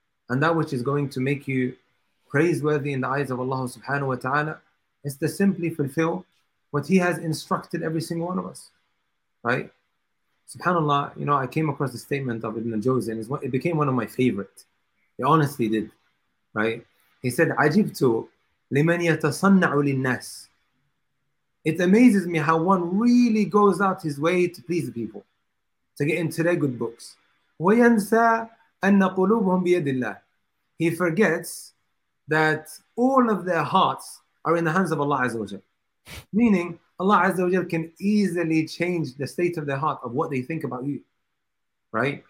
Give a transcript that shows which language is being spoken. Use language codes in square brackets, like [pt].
[en] And that which is going to make you praiseworthy in the eyes of Allah subhanahu wa ta'ala is to simply fulfill what he has instructed every single one of us, right? Subhanallah, you know, I came across the statement of Ibn al-Jawzi, and it became one of my favorite. It honestly did, right? He said, [ar] عَجِبْتُ لِمَنْ يَتَصَنَّعُ لِلنَّاسِ. [en] It amazes me how one really goes out his way to please the people, to get into their good books. [ar] وَيَنْسَى أَنَّ قُلُوبُهُمْ بِيَدِ اللَّهِ. [en] He forgets that all of their hearts are in the hands of Allah Azza wa Jal. Meaning, Allah Azza wa Jal can easily change the state of their heart of what they think about you, right?